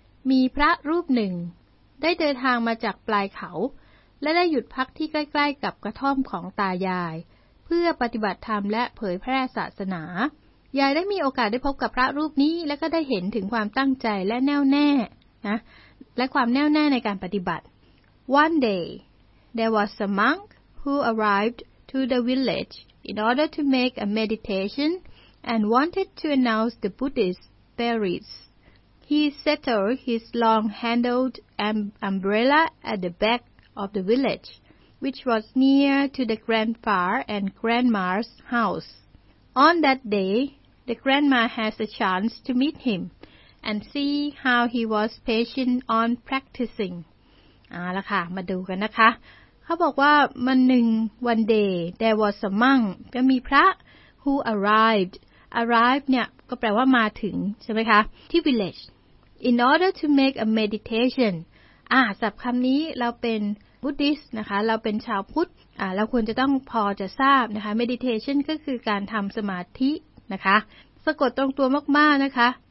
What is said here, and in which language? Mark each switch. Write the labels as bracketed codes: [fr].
[th] มีพระรูปหนึ่งได้เดินทางมาจากปลายเขาและได้หยุดพักที่ใกล้ๆกับกระท่อมของตายายเพื่อปฏิบัติธรรมและเผยแผ่ศาสนายายได้มีโอกาสได้พบกับพระรูปนี้และก็ได้เห็นถึงความตั้งใจและแน่วแน่นะและความแน่วแน่ในการปฏิบัติ [en] One day there was a monk who arrived to the villageIn order to make a meditation and wanted to announce the Buddha's theories, He settled his long-handled umbrella at the back of the village, which was near to the grandpa and grandma's house. On that day, the grandma has a chance to meet him and see how he was patient on practicing. [th] เอาละค่ะมาดูกันนะคะเขาบอกว่ามันหนึ่ง [en] one day there was a monk [th] ก็มีพระ [en] who arrived [th] เนี่ยก็แปลว่ามาถึงใช่ไหมคะที่ [en] village in order to make a meditation [th] ศัพท์คำนี้เราเป็นบุดดิสต์นะคะเราเป็นชาวพุทธเราควรจะต้องพอจะทราบนะคะ meditation ก็คือการทำสมาธินะคะสะกดตรงตัวมากๆนะคะ